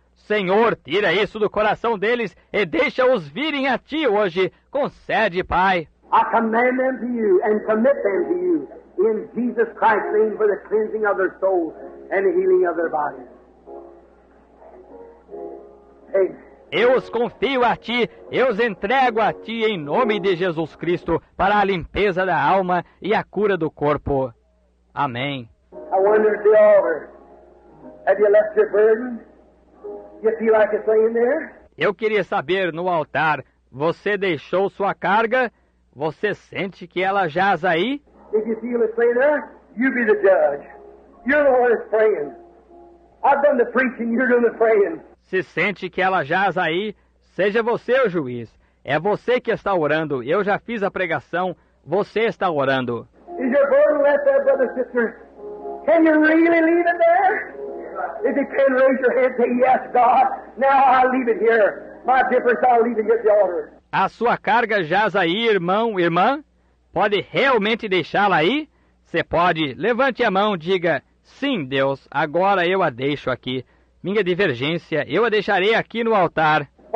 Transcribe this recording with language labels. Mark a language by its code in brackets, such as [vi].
[pt] Senhor, tira isso do coração deles e deixa-os virem a ti hoje. Concede, Pai. [en] I command them to you and commit them to you in Jesus Christ's name for the cleansing of their souls and the healing of their bodies. [pt] Eu os confio a ti, eu os entrego a ti em nome de Jesus Cristo para a limpeza da alma e a cura do corpo. Amém. [en] I wonder at the altar. Have you left your burden? You feel like it's laying there? [pt] Eu queria saber no altar, você deixou sua carga? Você sente que ela jaz aí? [en] If you feel it's laying there, you be the judge. You're the one that's praying. I've done the preaching, you're doing the praying. [pt] Se sente que ela jaz aí, seja você o juiz. É você que está orando. Eu já fiz a pregação. Você está orando. [en] Is your burden left there, brother, sister? Can you really leave it there? If you can, raise your hand and say, yes, God. Now I leave it here. My difference, I'll leave it at the altar. [pt] A sua carga jaz aí, irmão, irmã? Pode realmente deixá-la aí? Você pode. Levante a mão, diga, sim, Deus, agora eu a deixo aqui. Minha divergência, eu a deixarei aqui no altar.